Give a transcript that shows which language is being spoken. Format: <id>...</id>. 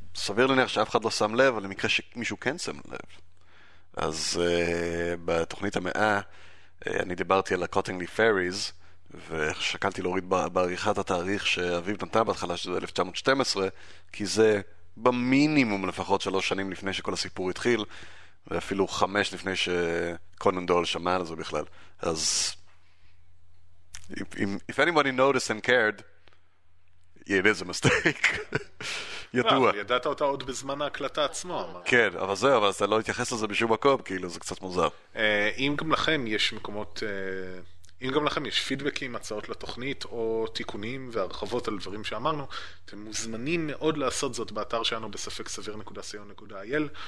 <he>סביר לנהר שאף אחד לא שם לב, אבל למקרה שמישהו כן שם לב. אז בתוכנית המאה, אני דיברתי על הקוטינגלי פייריז, ושקלתי להוריד בעריכת התאריך שאביב נתן בהתחלה, שזה 1912, כי זה במינימום לפחות 3 שנים לפני שכל הסיפור התחיל, ואפילו 5 לפני שקונן דול שמע על זה בכלל. אז...</he> <en>If anybody noticed and cared, it is a mistake.</en> <he>ידוע. ידעת אותה עוד בזמן ההקלטה עצמו. כן, אבל זהו, אבל אתה לא התייחס לזה בשום מקום, כאילו זה קצת מוזר. אם גם לכם יש מקומות, אם גם לכם יש פידבקים, הצעות לתוכנית, או תיקונים והרחבות על דברים שאמרנו, אתם מוזמנים מאוד לעשות זאת באתר שלנו בספק סביר.co.il.</he>